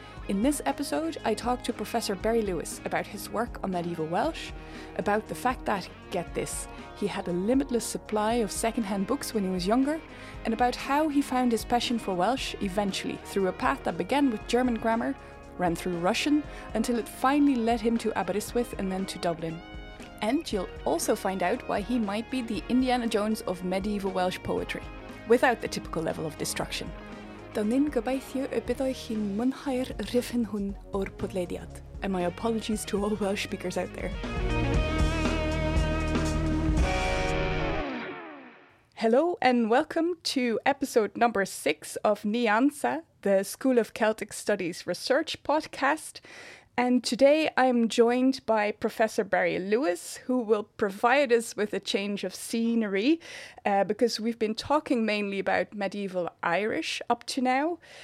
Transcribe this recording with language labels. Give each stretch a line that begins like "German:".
English: In this episode, I talk to Professor Barry Lewis about his work on medieval Welsh, about the fact that, get this, he had a limitless supply of secondhand books when he was younger, and about how he found his passion for Welsh eventually through a path that began with German grammar, ran through Russian, until it finally led him to Aberystwyth and then to Dublin. And you'll also find out why he might be the Indiana Jones of medieval Welsh poetry, without the typical level of destruction.
Welsh: Donin gobeithio y byddai chi'n mwynhau'r rhifyn hwn o'r podlediad.
English: And my apologies to all Welsh speakers out there. Hello and welcome to episode number 6 of Ní Ansa, the School of Celtic Studies research podcast. And today I'm joined by Professor Barry Lewis, who will provide us with a change of scenery because we've been talking mainly about medieval Irish up to now.